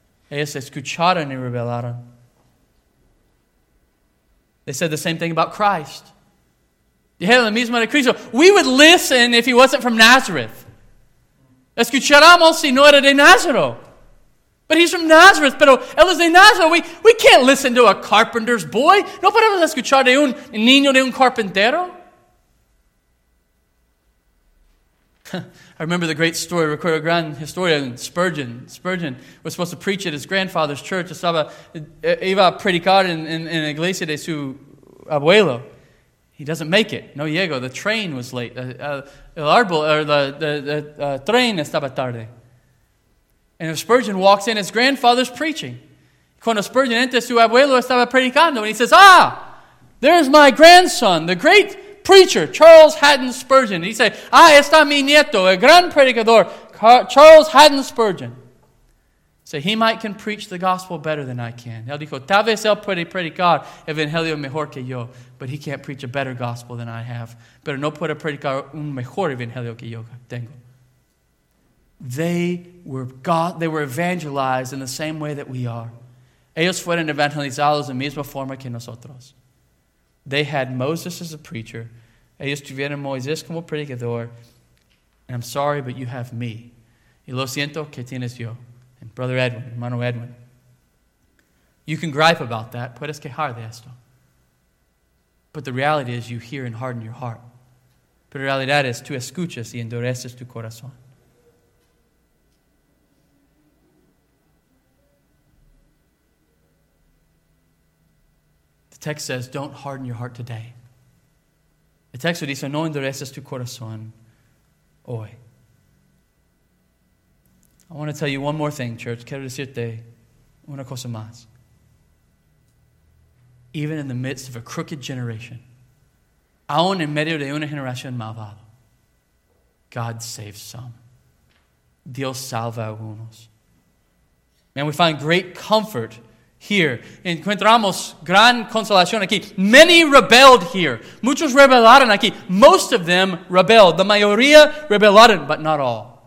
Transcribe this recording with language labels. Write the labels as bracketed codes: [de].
[es] Ellos escucharon y rebelaron. [en] They said the same thing about Christ. [es] Dijeron la misma de Cristo. [en] We would listen if he wasn't from Nazareth. [es] Escucharamos si no era de Nazareth. [en] But he's from Nazareth. [es] Pero él es de Nazareth. [en] We can't listen to a carpenter's boy. [es] No podemos escuchar de un niño de un carpintero. [en] I remember the great story. [es] Recuerdo gran historia en Spurgeon. [en] Spurgeon was supposed to preach at his grandfather's church. [es] Estaba iba a predicar en la iglesia de su abuelo. [en] He doesn't make it. [es] No llego. [en] The train was late. [es] El tren estaba tarde. [en] And Spurgeon walks in, his grandfather's preaching. [es] Cuando Spurgeon entra, su abuelo estaba predicando. [en] And he says, ah, there's my grandson, the great preacher, Charles Haddon Spurgeon. And he said, [es] ah, está mi nieto, el gran predicador, Charles Haddon Spurgeon. [en] So he might can preach the gospel better than I can. [es] Él dijo, tal vez él puede predicar evangelio mejor que yo, [en] but he can't preach a better gospel than I have. [es] Pero no puede predicar un mejor evangelio que yo tengo. [en] They were evangelized in the same way that we are. [es] Ellos fueron evangelizados en la misma forma que nosotros. [en] They had Moses as a preacher. [es] Ellos tuvieron Moisés como predicador. [en] And I'm sorry, but you have me. [es] Y lo siento que tienes yo. [en] And Brother Edwin, [es] hermano Edwin. [en] You can gripe about that. [es] Puedes quejar de esto. [en] But the reality is you hear and harden your heart. [es] Pero la realidad es tú escuchas y endureces tu corazón. [en] The text says, don't harden your heart today. [es] El texto dice, no endureces tu corazón hoy. [en] I want to tell you one more thing, church. [es] Quiero decirte una cosa más. [en] Even in the midst of a crooked generation, [es] aún en medio de una generación malvada, [en] God saves some. [es] Dios salva algunos. [en] Man, we find great comfort here. [es] Encontramos gran consolación aquí. [en] Many rebelled here. [es] Muchos rebelaron aquí. [en] Most of them rebelled. The [es] mayoría rebelaron, [en] but not all.